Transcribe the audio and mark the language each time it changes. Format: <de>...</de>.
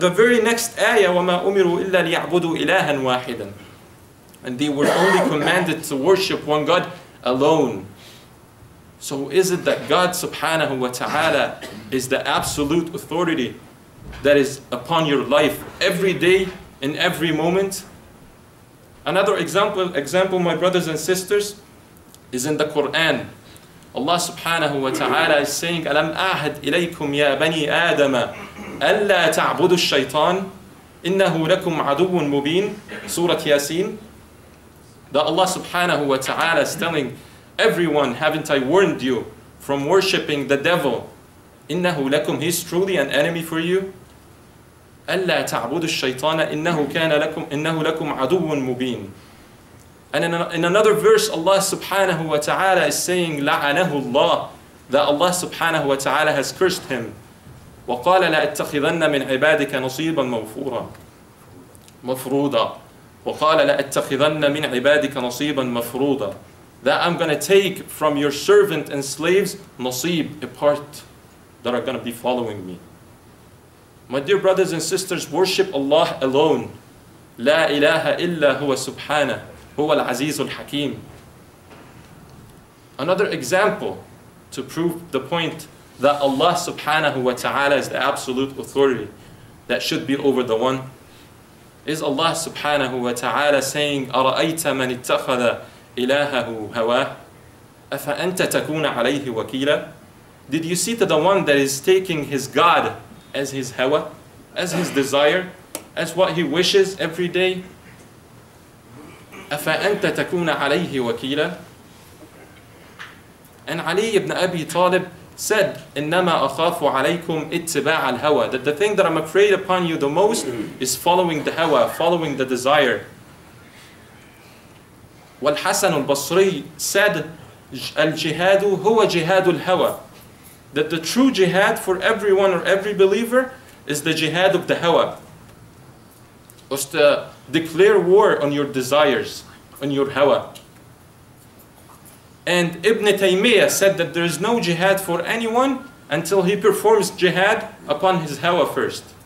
<en>The very next ayah,</en> <ar>وَمَا أُمِرُوا إِلَّا لِيَعْبُدُوا إِلَهًا وَاحِدًا.</ar> <en>And they were only commanded to worship one God alone. So is it that God subhanahu wa ta'ala is the absolute authority that is upon your life every day, in every moment? Another example, my brothers and sisters, is in the Quran. Allah subhanahu wa ta'ala is saying,</en> <ar>أَلَمْ أَعْهَدْ إِلَيْكُمْ يَا بَنِي آدَمَ أَلَّا تَعْبُدُوا الشَّيْطَانِ إِنَّهُ لَكُمْ عَدُوٌ مُبِينٌ.</ar> <en>Surah Yasin. That Allah subhanahu wa ta'ala is telling everyone, haven't I warned you from worshipping the devil?</en> <ar>إِنَّهُ لَكُمْ,</ar> <en>he's truly an enemy for you.</en> <ar>أَلَّا تَعْبُدُوا الشَّيْطَانَ إِنَّهُ كَانَ لَكُمْ إِنَّهُ لَكُمْ عَدُوٌ مُبِينٌ.</ar> <en>And in another verse, Allah subhanahu wa ta'ala is saying,</en> <ar>لَعَنَهُ اللَّهُ,</ar> <en>that Allah subhanahu wa ta'ala has cursed him.</en> <ar>وقال لا اتخذن من عبادك نصيبا موفورا مفروضا وقال لا اتخذن من عبادك نصيبا مفروضا</ar> <en>that I'm going to take from your servant and slaves نصيب a part that are going to be following me. My dear brothers and sisters, worship Allah alone.</en> <ar>لا إله إلا هو سبحانه هو العزيز الحكيم.</ar> <en>Another example to prove the point that Allah subhanahu wa ta'ala is the absolute authority that should be over the one is Allah subhanahu wa ta'ala saying</en> <ar>أَرَأَيْتَ مَنِ اتَّخَذَ إِلَاهَهُ هَوَاهُ أَفَأَنْتَ تَكُونَ عَلَيْهِ وَكِيلًا.</ar> <en>Did you see that the one that is taking his God as his hawa, as his desire, as what he wishes every day?</en> <ar>أَفَأَنْتَ تَكُونَ عَلَيْهِ وَكِيلًا.</ar> <en>And Ali ibn Abi Talib said,</en> <ar>إِنَّمَا أَخَافُ عَلَيْكُمْ إِتِّبَاعَ الْهَوَى.</ar> <en>That the thing that I'm afraid upon you the most is following the hawa, following the desire.</en> <ar>والحسن البصري said, الجهاد هو جهاد الهوى.</ar> <en>That the true jihad for everyone or every believer is the jihad of the hawa. Was to declare war on your desires, on your hawa. And Ibn Taymiyyah said that there is no jihad for anyone until he performs jihad upon his hawa first.</en>